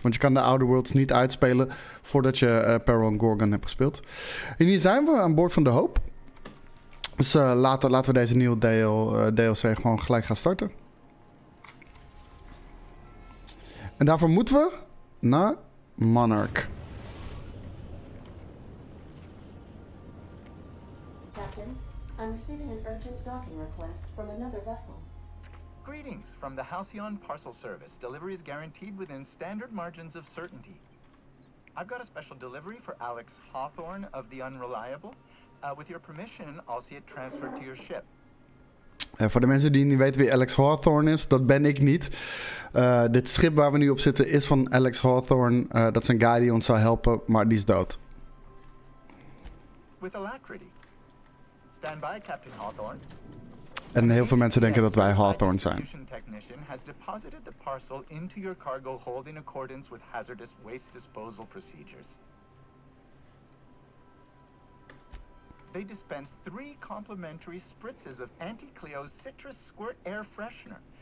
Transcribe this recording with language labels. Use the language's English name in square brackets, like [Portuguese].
[Dutch] Want je kan de Outer Worlds niet uitspelen voordat je Peril and Gorgon hebt gespeeld. En hier zijn we aan boord van de hoop. Dus laten we deze nieuwe DLC gewoon gelijk gaan starten. En daarvoor moeten we naar Monarch. [English] Captain, I'm receiving an urgent docking request from another vessel. Greetings from the Halcyon Parcel Service. Delivery is guaranteed within standard margins of certainty. I've got a special delivery for Alex Hawthorne of the Unreliable. With your permission, I'll see it transferred to your ship. [Dutch] En voor de mensen die niet weten wie Alex Hawthorne is, dat ben ik niet. Dit schip waar we nu op zitten is van Alex Hawthorne. Dat is een guy die ons zou helpen, maar die is dood. [English] With alacrity. Stand by, Captain Hawthorne. [Dutch] En heel veel mensen denken dat wij Hawthorne zijn. [English] The technician has deposited the parcel into your cargo hold in accordance with hazardous waste disposal procedures. They dispense 3 complimentary spritzes of Anti-Cleo's Citrus Squirt Air Freshener.